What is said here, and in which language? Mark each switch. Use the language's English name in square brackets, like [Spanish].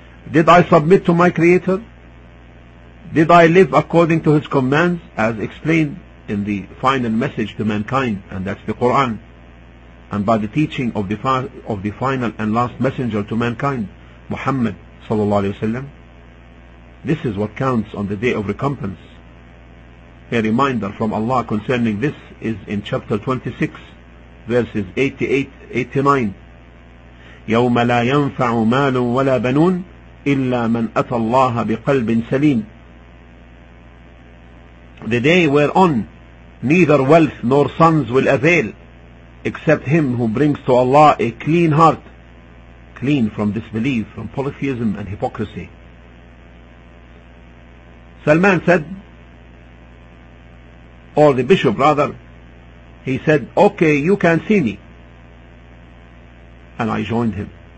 [English] Did I submit to my Creator? Did I live according to His commands as explained in the final message to mankind, and that's the Quran, and by the teaching of the final and last messenger to mankind, Muhammad sallallahu alaihi wasallam? This is what counts on the day of recompense. A reminder from Allah concerning this is in chapter 26, verses 88-89. [Arabic] يَوْمَ لَا يَنْفَعُ مَالٌ وَلَا بَنُونَ إِلَّا مَنْ أَتَى اللَّهَ بِقَلْبٍ سَلِيمٍ. [English] The day whereon neither wealth nor sons will avail, except him who brings to Allah a clean heart, clean from disbelief, from polytheism and hypocrisy. Salman said, or the bishop rather, he said, okay, you can see me. And I joined him.